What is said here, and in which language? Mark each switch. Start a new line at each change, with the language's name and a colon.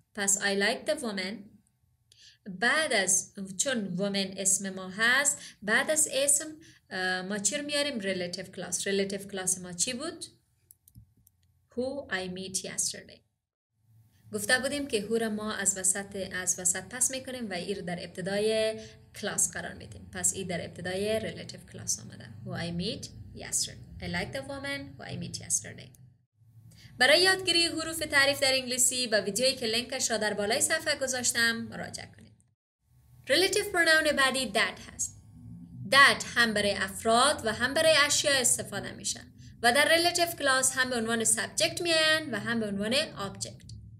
Persian: پس
English: I like the woman،
Persian: بعد از چون woman اسم ما هست، بعد از اسم ما چی را میاریم؟ relative clause. relative clause ما چی بود؟
English: Who I meet yesterday.
Persian: گفته بودیم که هو را ما از وسط پس میکنیم و ایر در ابتدای کلاس قرار میدیم. پس ای در ابتدای relative کلاس آمده.
English: Who I meet yesterday. I like the woman who I meet yesterday.
Persian: برای یادگیری حروف تعریف در انگلیسی با ویدیویی که لینکش را در بالای صفحه گذاشتم مراجعه کنید. Relative pronoun بعدی that هست. That هم برای افراد و هم برای اشیاء استفاده میشن و در relative کلاس هم به عنوان subject میان و هم به عنوان object.